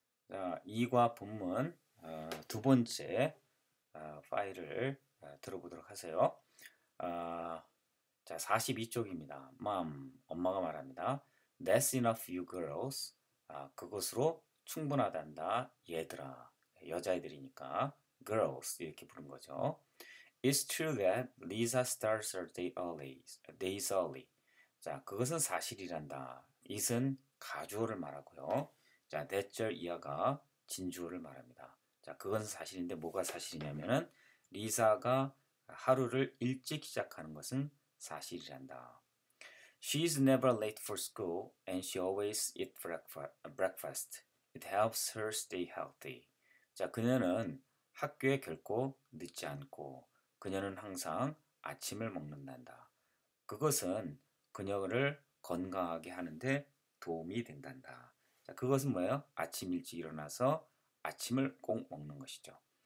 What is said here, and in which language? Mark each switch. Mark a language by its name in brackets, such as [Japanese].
[Korean] 2과 본문 두 번째 파일을 들어보도록 하세요. 자, 42쪽입니다. Mom, 엄마가 말합니다. [English] That's enough, you girls. [Korean] 그것으로 충분하단다, 얘들아. 여자애들이니까 girls 이렇게 부른 거죠. [English] It's true that Lisa starts her days early. [Korean] 자, 그것은 사실이란다. It은 가주어를 말하고요. 자, that's 이하가 진주어를 말합니다. 자, 그건 사실인데 뭐가 사실이냐면은 리사가 하루를 일찍 시작하는 것은 사실이란다. [English] She's never late for school and she always eat breakfast. It helps her stay healthy. [Korean] 자, 그녀는 학교에 결코 늦지 않고 그녀는 항상 아침을 먹는단다. 그것은 그녀를 건강하게 하는 데 도움이 된단다. 자, 그것은 뭐예요? 아침 일찍 일어나서 아침을 꼭 먹는 것이죠.